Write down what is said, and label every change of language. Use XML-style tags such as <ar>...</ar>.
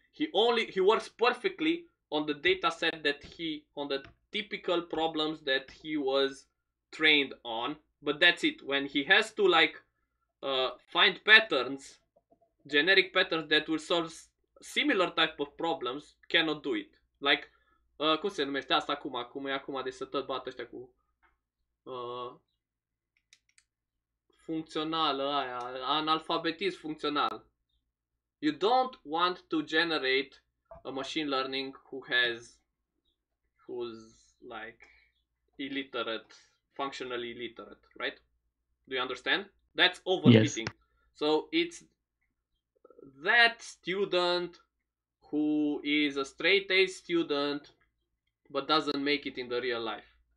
<en>He works perfectly on the data set that he, on the typical problems that he was trained on, but that's it. When he has to, like, find patterns, generic patterns that will solve similar type of problems, cannot do it.</en> <ro>Like, cum se numește asta acum? Cum e acum de să tot bată ăștia cu... funcțională aia, analfabetism funcțional.</ro> <en>You don't want to generate a machine learning who's like illiterate, functionally illiterate, right? Do you understand? That's overfitting. Yes. So it's that student who is a straight A student but doesn't make it in the real life.</en>